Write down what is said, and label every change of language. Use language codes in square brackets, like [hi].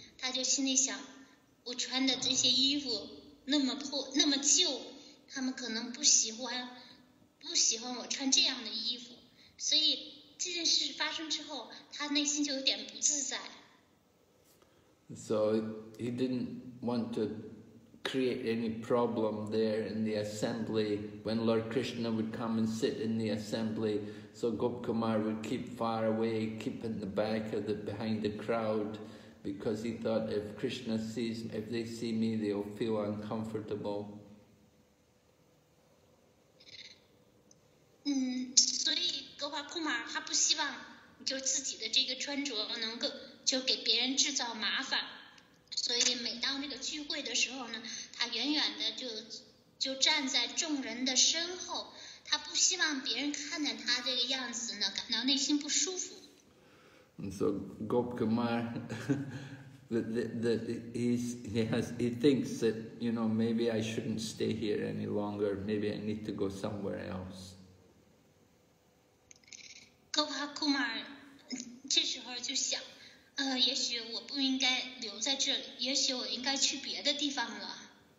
[zh] 他就心里想，我穿的这些衣服那么破那么旧，他们可能不喜欢我穿这样的衣服，所以这件事发生之后，他内心就有点不自在。 [en] So he didn't want to create any problem there in the assembly when Lord Krishna would come and sit in the assembly. So Gopkumar would keep far away, keep in the back of the behind the crowd. Because he thought if Krishna sees, if they see me, they'll feel uncomfortable. [zh] 所以 Gopkumar 他不希望就自己的这个穿着能够就给别人制造麻烦，所以每当这个聚会的时候呢，他远远的就站在众人的身后，他不希望别人看见他这个样子呢，感到内心不舒服。 [en] And so Gopkumar, he thinks that, maybe I shouldn't stay here any longer. Maybe I need to go somewhere else. [zh] Gopkumar, 这时候就想，也许我不应该留在这里，也许我应该去别的地方了。